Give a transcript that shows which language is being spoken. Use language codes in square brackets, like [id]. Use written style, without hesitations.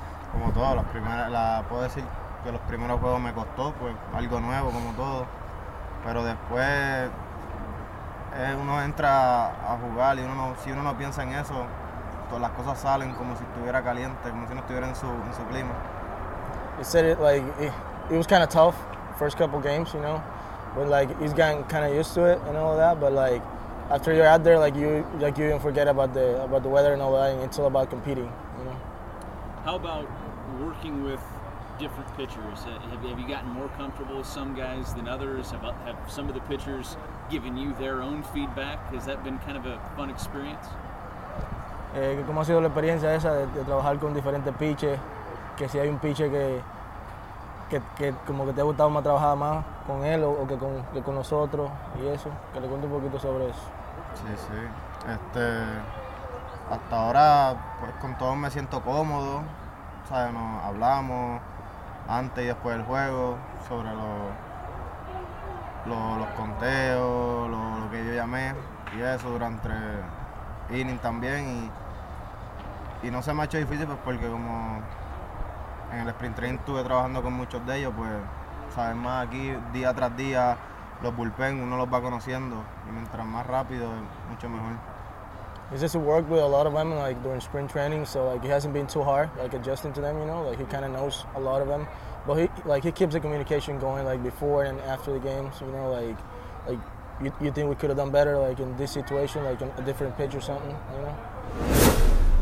[es] Como todo, puedo decir que los primeros juegos me costó, pues algo nuevo como todo. Pero después uno entra a jugar y si uno no piensa en eso, todas las cosas salen como si estuviera caliente, como si no estuviera en su clima. [en] He said it like it was kind of tough first couple games, you know. But like he's gotten kind of used to it and all that, but like after you're out there, like you even forget about the weather and all that, and it's all about competing, you know. How about working with different pitchers? Have you gotten more comfortable with some guys than others? Have some of the pitchers given you their own feedback? Has that been kind of a fun experience? [es] ¿Cómo ha sido la experiencia esa de trabajar con diferentes pitchers? Que si hay un pitcher que como que te ha gustado más trabajar más con él o que con nosotros y eso, que le cuente un poquito sobre eso. Sí. Hasta ahora pues con todos me siento cómodo, o sea, nos hablamos antes y después del juego sobre los conteos, lo que yo llamé y eso durante inning también y no se me ha hecho difícil pues porque como en el sprint training estuve trabajando con muchos de ellos, pues sabes más aquí día tras día los bullpen, uno los va conociendo y mientras más rápido mucho mejor. [en] He just worked with a lot of them like during sprint training, so like he hasn't been too hard like adjusting to them, you know, like he kind of knows a lot of them, but he keeps the communication going like before and after the games, you know, like you think we could have done better like in this situation, like in a different pitch or something, you know.